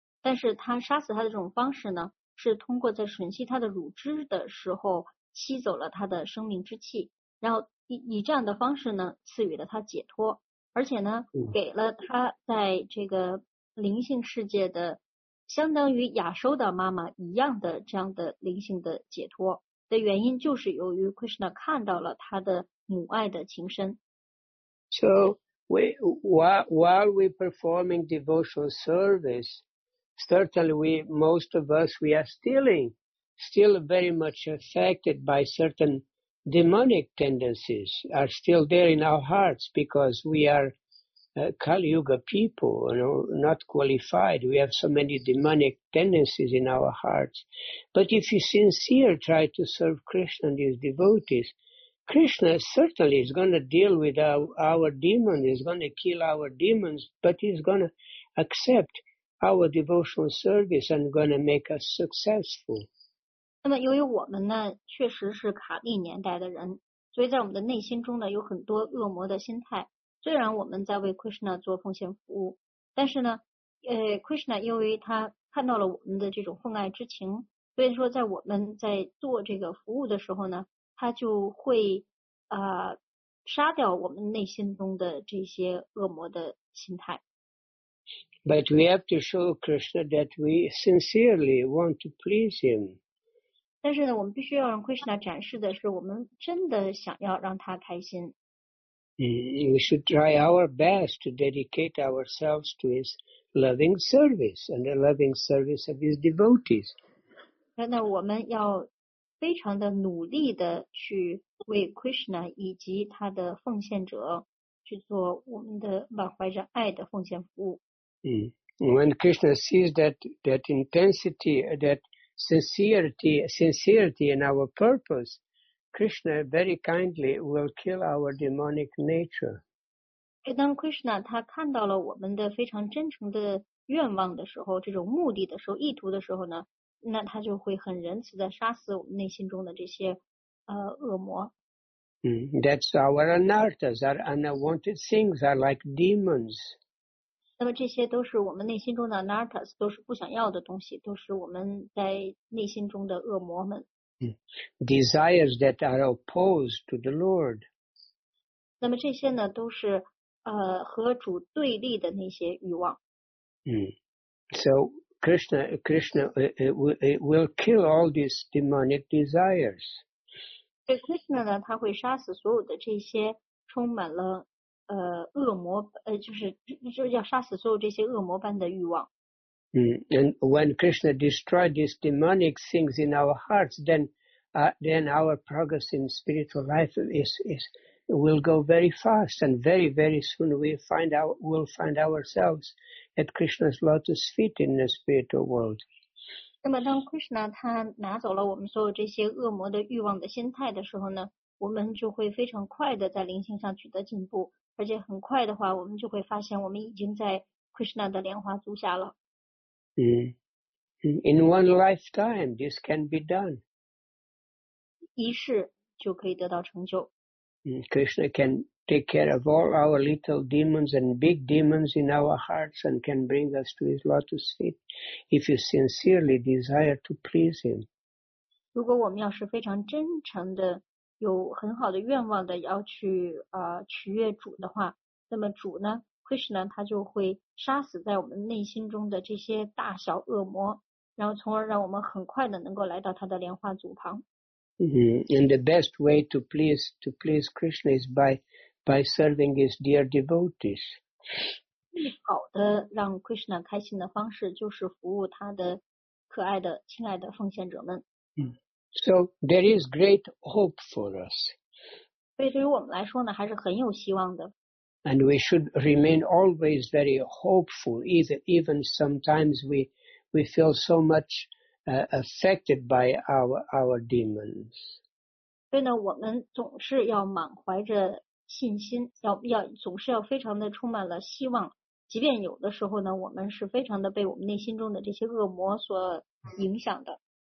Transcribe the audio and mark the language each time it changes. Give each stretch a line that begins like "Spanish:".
Chinese: 但是他杀死他的这种方式呢，是通过在吮吸他的乳汁的时候吸走了他的生命之气，然后以这样的方式呢，赐予了他解脱，而且呢，给了他在这个灵性世界的。相当于亚修达妈妈一样的这样的灵性的解脱的原因，就是由于 Krishna 看到了他的母爱的情深。
English: So while we performing devotional service, certainly most of us are still very much affected by certain demonic tendencies are still there in our hearts because we are. Kali Yuga people, you know, not qualified. We have so many demonic tendencies in our hearts. But if you sincere try to serve Krishna and his devotees, Krishna certainly is going to deal with our demons, he's going to kill our demons, but he's going to accept our devotional service and going to make us successful.
Chinese: 那么由于我们呢确实是卡利年代的人，所以在我们的内心中呢有很多恶魔的心态。虽然我们在为 Krishna 做奉献服务，但是呢Krishna 因为他看到了我们的这种奉爱之情，所以说在我们在做这个服务的时候呢，他就会杀掉我们内心中的这些恶魔的心态。
English: But we have to show Krishna that we sincerely want to please him.
Chinese: 但是呢，我们必须要让 Krishna 展示的是，我们真的想要让他开心。
English: We should try our best to dedicate ourselves to his loving service and the loving service of his devotees.
Chinese: 那我们要非常的努力的去为 Krishna 以及他的奉献者去做我们的满怀着爱的奉献服务。
English: When Krishna sees that intensity, that sincerity in our purpose, Krishna very kindly will kill our demonic nature.
Chinese: 当 Krishna 他看到了我们的非常真诚的愿望的时候，这种目的的时候，意图的时候呢，那他就会很仁慈的杀死我们内心中的这些恶魔。
English: That's our anarthas, our unwanted things are like demons.
Chinese: 那么这些都是我们内心中的 anarthas, 都是不想要的东西，都是我们在内心中的恶魔们。
English: Desires that are opposed to the Lord.
Chinese: 那么这些呢都是和主对立的那些欲望。
English: So Krishna will kill all these demonic desires.
Chinese: 所以 Krishna 呢他会杀死所有的这些充满了恶魔就是要杀死所有这些恶魔般的欲望。
English: And when Krishna destroyed these demonic things in our hearts, then our progress in spiritual life will go very fast, and very very soon we'll find ourselves at Krishna's lotus feet in the spiritual world.
Chinese: 那么当 Krishna 他拿走了我们所有这些恶魔的欲望的心态的时候呢，我们就会非常快的在灵性上取得进步。而且很快的话，我们就会发现我们已经在 Krishna 的莲花足下了。
English: In one lifetime, this can be done.
Chinese: 一世就可以得到成就。
English: Krishna can take care of all our little demons and big demons in our hearts and can bring us to his lotus feet if you sincerely desire to please him.
Chinese: 如果我们要是非常真诚的有很好的愿望的要去取悦主的话，那么主呢 Krishna 他就会杀死在我们内心中的这些大小恶魔，然后从而让我们很快的能够来到他的莲花足旁。
English: And the best way to please Krishna is by serving his dear devotees.
Chinese: 最好的让 Krishna 开心的方式就是服务他的可爱的亲爱的奉献者们。
English: So there is great hope for us.
Chinese: 对于我们来说呢，还是很有希望的。
English: And we should remain always very hopeful, even sometimes we feel so much affected by our demons.
Chinese: 对呢，我们总是要满怀着信心，要总是要非常的充满了希望，即便有的时候呢，我们是非常的被我们内心中的这些恶魔所影响的。